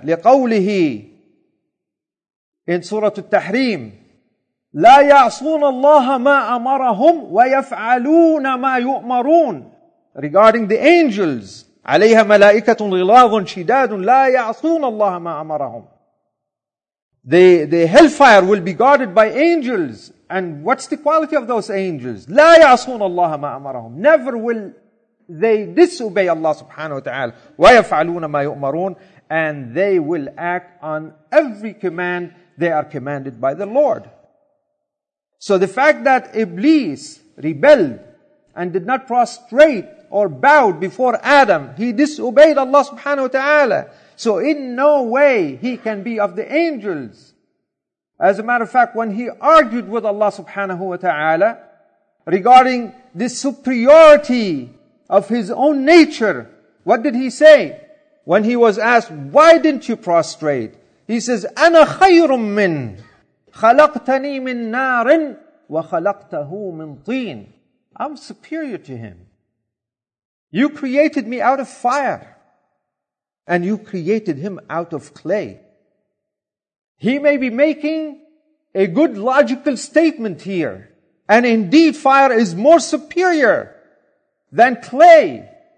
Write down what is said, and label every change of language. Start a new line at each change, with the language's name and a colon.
Arabic: لِقَوْلِهِ
English: in Surah Al-Tahrim,
Arabic: لَا يَعْصُونَ اللَّهَ مَا أَمَرَهُمْ وَيَفْعَلُونَ مَا يُؤْمَرُونَ.
English: Regarding the angels,
Arabic: عليها ملائكة غلاظ شداد لا يعصون الله ما أمرهم.
English: The hellfire will be guarded by angels. And what's the quality of those angels?
Arabic: لا يعصون الله ما أمرهم.
English: Never will they disobey Allah subhanahu wa ta'ala.
Arabic: ويفعلون ما يؤمرون.
English: And they will act on every command they are commanded by the Lord. So the fact that Iblis rebelled and did not prostrate or bowed before Adam, he disobeyed Allah subhanahu wa ta'ala. So in no way he can be of the angels. As a matter of fact, when he argued with Allah subhanahu wa ta'ala regarding the superiority of his own nature, what did he say? When he was asked, why didn't you prostrate? He says,
Arabic: أنا خير من خلقتني من نار وخلقته من طين.
English: I'm superior to him. You created me out of fire, and you created him out of clay. He may be making a good logical statement here. And indeed, fire is more superior than clay.